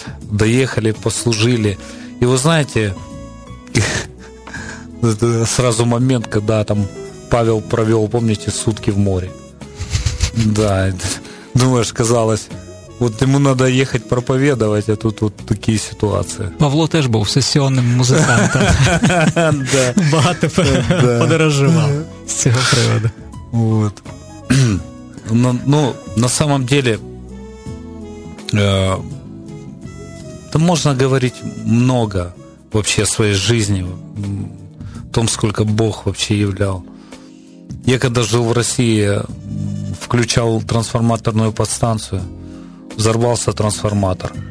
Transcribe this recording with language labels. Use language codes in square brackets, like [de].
[ru] Доехали, послужили. И вы знаете, это сразу момент, когда там Павел провел, помните, сутки в море. Да, думаешь, казалось... Вот ему надо ехать проповедовать, а тут вот такие ситуации. [uk] Павло теж був сесійним музикантом. Багато подорожував з цього приводу. [ru] Вот. Ну, на самом деле, там можно говорить много вообще о своей жизни, о том, сколько Бог вообще являл. Я когда жил в России, включал трансформаторную подстанцию, взорвался трансформатор.